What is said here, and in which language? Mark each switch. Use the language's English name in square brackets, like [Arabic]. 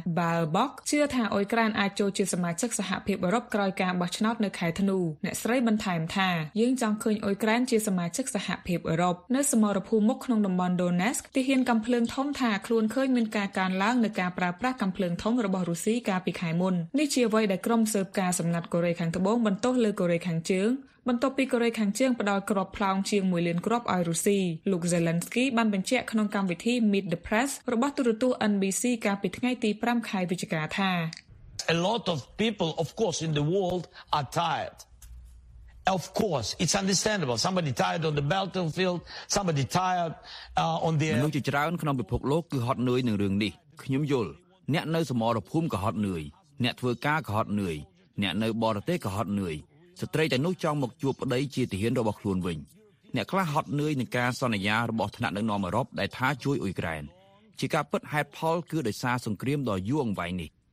[Khmer] Baerbock ជឿថាអ៊ុយក្រែនអាចចូលជាសមាជិកសហភាពអឺរ៉ុបក្រោយការបោះឆ្នោតនៅខែធ្នូអ្នកស្រីបន្ថែមថាយើងចង់ឃើញអ៊ុយក្រែនជាសមាជិកសហភាពអឺរ៉ុបនៅសមរភូមិមុខក្នុងតំបន់ Donetsk ទីហ៊ានកំភ្លើងធំថាខ្លួនឃើញមានការកើនឡើងនៃការប្រើប្រាស់កំភ្លើងធំរបស់រុស្ស៊ីកាលពីខែមុននេះជាអ្វីដែលក្រុមស៊ើបការណ៍សម្ងាត់កូរ៉េខាងត្បូងបន្ទោសលើកូរ៉េខាងជើង បន្ទាប់ពីកូរ៉េខាងជើងផ្ដល់គ្រាប់ផ្លោងជាង1លានគ្រាប់ឲ្យរុស្ស៊ីលោក Zelensky បានបញ្ជាក់ក្នុងកម្មវិធី Meet the Press របស់ទូរទស្សន៍ NBC កាលពីថ្ងៃទី5ខែវិច្ឆិកាថា [English] A lot of people of course in the world are tired. Of course, it's understandable. Somebody tired on the battlefield, somebody tired on the [Khmer] មនុស្សជាច្រើនក្នុងពិភពលោកគឺហត់នឿយនឹងរឿងនេះខ្ញុំយល់អ្នកនៅសមរភូមិក៏ហត់នឿយអ្នកធ្វើការក៏ហត់នឿយអ្នកនៅបរទេសក៏ហត់នឿយស្ត្រីតែនោះចង់មកជួបប្តីជាទាហានរបស់ខ្លួនវិញអ្នកខ្លះហត់នឿយនឹងការសន្យារបស់ថ្នាក់ដឹកនាំអឺរ៉ុបដែលថាជួយអ៊ុយក្រែនជាការពិតហេតុផលគឺដោយសារសង្គ្រាមដ៏យូរអង្វែងនេះ